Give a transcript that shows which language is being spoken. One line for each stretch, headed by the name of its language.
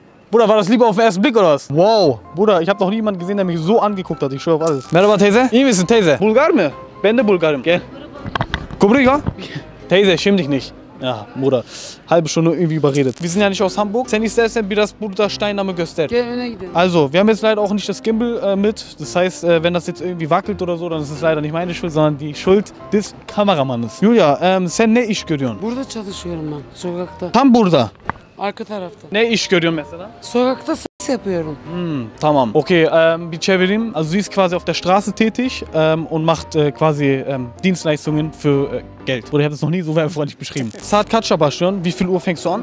German: Bruder, war das lieber auf den ersten Blick oder was? Wow. Bruder, ich habe noch nie jemanden gesehen, der mich so angeguckt hat. Ich schwöre auf alles.
Turkish: Merhaba teyze. İyi misin teyze? Bulgar mı? Ben de Bulgarım. Gel. Kubriga? Teyze,
German: schäm dich nicht. Ja, Bruder, halbe Stunde irgendwie überredet. Wir sind ja nicht aus Hamburg.
Turkish: Seni istersen biraz burada Steinname göster. Geh, öne gidelim.
German: Also, wir haben jetzt leider auch nicht das Gimbal mit. Das heißt, wenn das jetzt irgendwie wackelt oder so, dann ist es leider nicht meine Schuld, sondern die Schuld des Kameramannes.
Turkish: Julia, sen ne iş görüyorsun? Burada çalışıyorum ben, sokakta. Tam burada. Arka tarafta. Ne iş görüyorsun mesela? Sokakta seks yapıyorum. Hmm, tamam. Okay, bir çevireyim.
German: Also, sie ist quasi auf der Straße tätig und macht quasi Dienstleistungen für Geld. Oder ich habe das noch nie so werbefreundlich beschrieben.
Turkish: Saat kaç başlıyorsun?
German: Wie viel Uhr fängst du an?